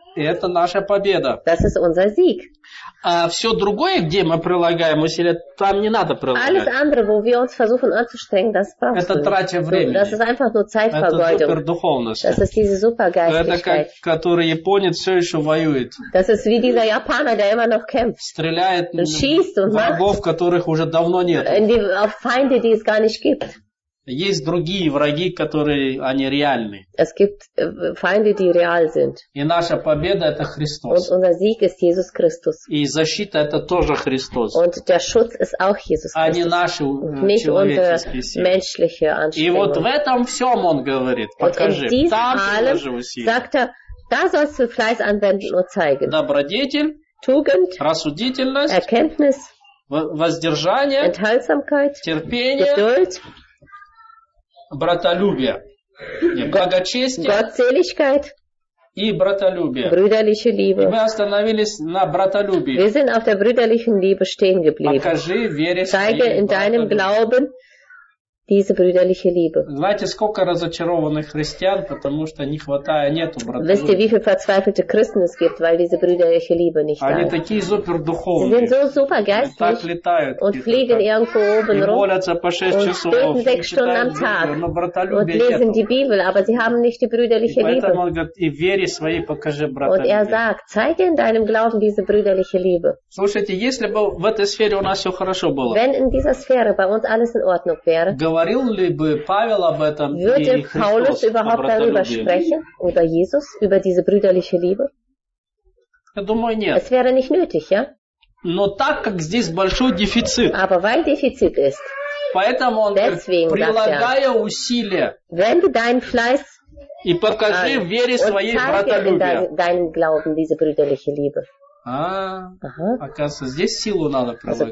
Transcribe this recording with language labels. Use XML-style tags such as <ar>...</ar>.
<ru>Это наша победа.</ru> <de>Das ist unser Sieg.</de> <ru>А все другое, где мы прилагаем усилия, там не надо прилагать.</ru> <de>Alles andere, wo wir uns versuchen anzustrengen, das brauchst</de> <ru>Это тратя времени.</ru> <de>Das ist einfach nur Zeitvergeudung.</de> <ru>Это супердуховность.</ru> <de>Das ist diese супергайстичность.</de> <ru>Это как, который японец все еще воюет.</ru> <de>Das ist wie dieser Japaner, der immer noch kämpft.</de> <ru>Стреляет</ru> <de>und schießt und</de> <ru>врагов, которых уже давно нет.</ru> <de>In die, auf Feinde, die es gar nicht gibt.</de> <ru>Есть другие враги, которые они реальны.</ru> <de>Es gibt Feinde, die real sind.</de> <ru>И наша победа это Христос.</ru> <de>Und unser Sieg ist Jesus Christus.</de> <ru>И защита это тоже Христос.</ru> <de>Und der Schutz ist auch Jesus Christus.</de> <ru>А не наши</ru> <de>Nicht</de> <ru>человеческие силы.</ru> <de>Menschliche Anstrengung.</de> <ru>И вот в этом всем он говорит. Покажи.</ru> <de>Und in diesem</de> <ru>Там</ru> <de>allem</de> <ru>же усилия.</ru> <de>Sagt er, da sollst du Fleiß anwenden und zeigen.</de> <ru>Добродетель.</ru> <de>Tugend.</de> <ru>Рассудительность.</ru> <de>Erkenntnis.</de> <ru>Воздержание.</ru> <de>Enthaltsamkeit.</de> <ru>Терпение.</ru> <de>Geduld.</de> <ru>Братолюбие. Нет, благочестие.</ru> <de>Gottseligkeit.</de> <ru>И братолюбие.</ru> <de>Brüderliche Liebe.</de> <ru>И мы остановились на братолюбии.</ru> <de>Wir sind auf der brüderlichen Liebe stehen geblieben.</de> <ru>Покажи вере своей</ru> <de>Zeige in deinem Glauben diese brüderliche Liebe.</de> <ru>Знаете, сколько разочарованных христиан, потому что не хватает, нету братолюбия.</ru> <de>Wisst ihr, wie viele verzweifelte Christen es gibt, weil diese brüderliche Liebe nicht da ist.</de> <ru>Они такие супердуховные.</ru> <de>Sie sind so super geistlich.</de> <ru>Так летают.</ru> <de>Und fliegen irgendwo oben rum.</de> <ru>И молятся по 6 часов.</ru> <de>Und beten 6 Stunden am Tag.</de> <ru>Но братолюбия нету.</ru> <de>Und lesen die Bibel, aber sie haben nicht die brüderliche Liebe.</de> <ru>Поэтому он говорит, и вере своей покажи братолюбие.</ru> <de>Und sagt, zeige in deinem Glauben diese brüderliche Liebe.</de> <ru>Слушайте, если бы в этой сфере у нас все хорошо было.</ru> <de>Wenn in dieser Sphäre bei uns alles in Ordnung wäre.</de> <ru>Говорил ли бы Павел об этом и Христос о братолюбии?</ru> <de>Würde Paulus überhaupt darüber sprechen? Oder Jesus über diese brüderliche Liebe?</de> <ru>Я думаю, нет.</ru> <de>Es wäre nicht nötig, ja?</de> <ru>Но так как здесь большой дефицит.</ru> <de>Aber weil Defizit ist.</de> <ru>Поэтому он</ru> <de>deswegen,</de> <ru>прилагая усилия.</ru> <de>Wende deinen Fleiß.</de> <ru>И покажи в вере своей братолюбия.</ru> <de>Und zeige in deinem Glauben diese brüderliche Liebe.</de> <ru>Оказывается, здесь силу надо прилагать.</ru>